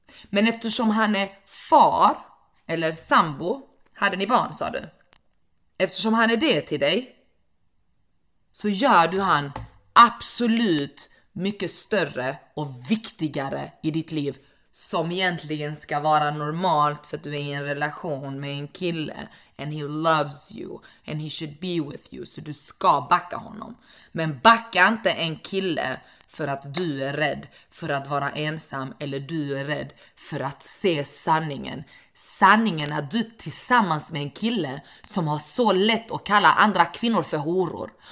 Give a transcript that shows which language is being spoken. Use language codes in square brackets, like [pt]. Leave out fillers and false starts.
[sv] Men eftersom han är far eller sambo, hade ni barn sa du, eftersom han är det till dig, så gör du han absolut mycket större och viktigare i ditt liv, som egentligen ska vara normalt för att du är i en relation med en kille. [en] And he loves you and he should be with you. [sv] Så du ska backa honom. Men backa inte en kille för att du är rädd för att vara ensam, eller du är rädd för att se sanningen. Sanningen är att du tillsammans med en kille som har så lätt att kalla andra kvinnor för horor.